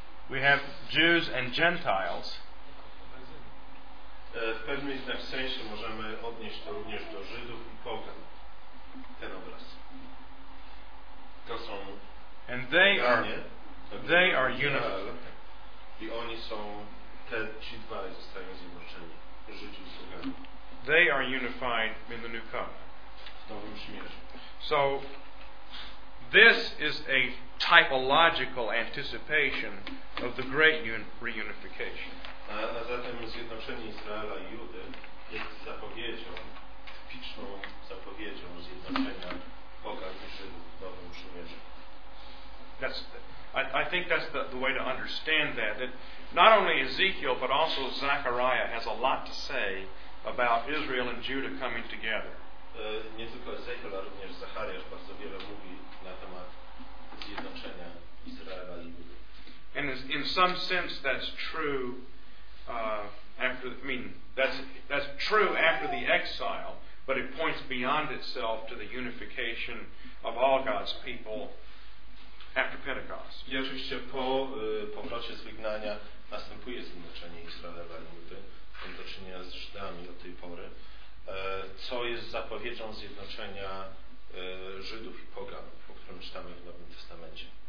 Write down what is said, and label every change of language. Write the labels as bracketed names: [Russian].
[English] We have Jews and Gentiles. [Polish] W pewnym sensie możemy odnieść to również do Żydów i pogan. Ten obraz. To są. [English] And they are unified. [Polish] I oni są, ci dwaj zostają zjednoczeni. Żydzi i pogan. [English] They are unified in the new covenant. [Polish] W nowym przymierzu. [English] So this is a typological anticipation of the great reunification. [Polish] A zatem zjednoczenie Izraela i Judy jest zapowiedzią, typiczną zapowiedzią zjednoczenia pogan i Żydów w nowym przymierzu. [English] That's I think that's the way to understand that. That not only Ezekiel but also Zechariah has a lot to say about Israel and Judah coming together. [Polish] Nie tylko Ezechiel, ale również Zachariasz bardzo wiele mówi na temat zjednoczenia Izraela i Judy. [English] And in some sense that's true after, I mean, that's true after the exile, but it points beyond itself to the unification of all God's people after Pentecost. [Polish] I oczywiście po powrocie z wygnania następuje zjednoczenie Izraela i Judy, mamy do czynienia z Żydami od tej pory, co jest zapowiedzią zjednoczenia Żydów i pogan, o którym czytamy w Nowym Testamencie.